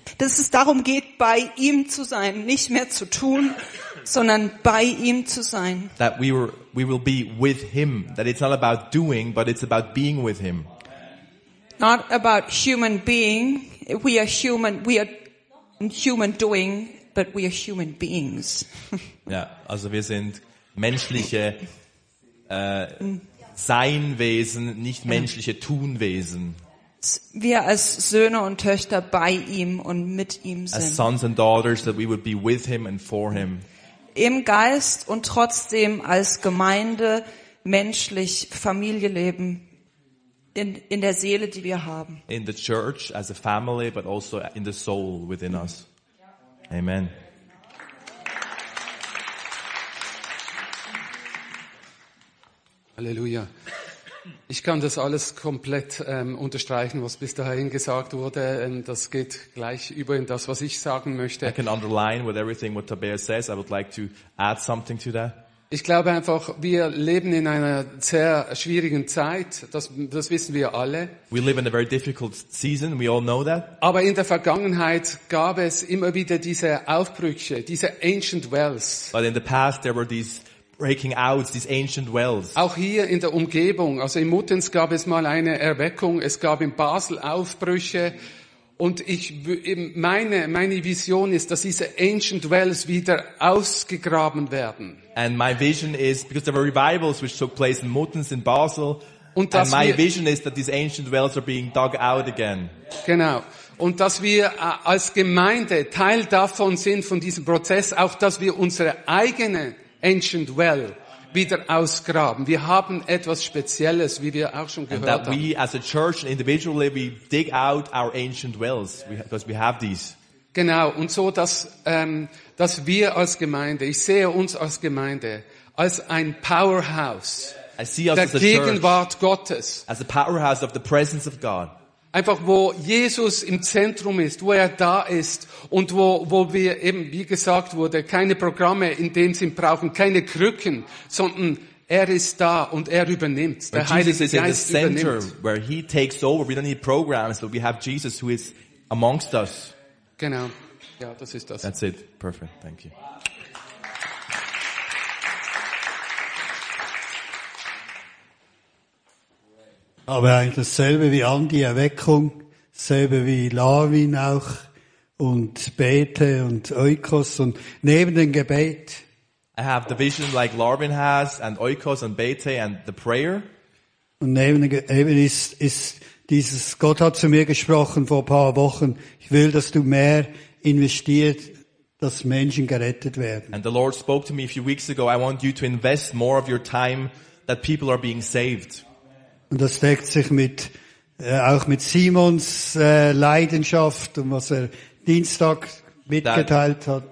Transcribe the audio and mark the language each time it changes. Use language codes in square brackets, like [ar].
[de] Dass es darum geht, bei ihm zu sein, nicht mehr zu tun, sondern bei ihm zu sein. [en] That we will be with him. That it's not about doing, but it's about being with him. Not about human being. We are human. We are human doing, but we are human beings. [de] Ja, also wir sind menschliche Seinwesen, nicht menschliche Tunwesen. Wir als Söhne und Töchter bei ihm und mit ihm sind. [en] As sons and daughters, that we would be with him and for him. [de] Im Geist und trotzdem als Gemeinde, menschlich, Familie leben, in der Seele, die wir haben. [en] In the church, as a family, but also in the soul within us. Amen. [de] Halleluja. Ich kann das alles komplett unterstreichen, was bis dahin gesagt wurde. Das geht gleich über in das, was ich sagen möchte. [en] I can underline with everything what Tobias says. I would like to add something to that. [de] Ich glaube einfach, wir leben in einer sehr schwierigen Zeit. Das wissen wir alle. [en] We live in a very difficult season. We all know that. [de] Aber in der Vergangenheit gab es immer wieder diese Aufbrüche, diese [en] ancient wells. But in the past there were these breaking out, these ancient wells. [de] Auch hier in der Umgebung, also in Muttenz gab es mal eine Erweckung, es gab in Basel Aufbrüche. Und meine Vision ist, dass diese [en] ancient wells [de] wieder ausgegraben werden. [en] And my vision is, because there were revivals which took place in Muttenz in Basel, und and my vision is that these ancient wells are being dug out again. [de] Genau. Und dass wir als Gemeinde Teil davon sind, von diesem Prozess, auch dass wir unsere eigene [en] ancient well [de] wieder ausgraben. Wir haben etwas Spezielles, wie wir auch schon gehört haben. [en] And that we as a church individually we dig out our ancient wells because we have these. [de] Genau, und so dass wir als Gemeinde, ich sehe uns als Gemeinde als ein Powerhouse. [en] I see us [de] der Gegenwart Gottes. [en] As a powerhouse of the presence of God. [de] Einfach wo Jesus im Zentrum ist, wo er da ist und wo wir eben, wie gesagt wurde, keine Programme in dem Sinn brauchen, keine Krücken, sondern er ist da und er übernimmt. Der Heilige Geist übernimmt. [en] Jesus is in the center where he takes over. We don't need programs, but we have Jesus who is amongst us. [de] Genau. Ja, das ist das. [en] That's it. Perfect. Thank you. [de] Aber eigentlich dasselbe wie Andi, Erweckung, dasselbe wie Larwin auch und Bete und Oikos und neben dem Gebet. [en] I have the vision like Larwin has and Oikos and Bete and the prayer. [de] Und neben dem Gebet ist dieses, Gott hat zu mir gesprochen vor ein paar Wochen, ich will, dass du mehr investierst, dass Menschen gerettet werden. [en] And the Lord spoke to me a few weeks ago, I want you to invest more of your time that people are being saved. [de] Und das deckt sich mit auch mit Simons Leidenschaft und was er Dienstag mitgeteilt hat.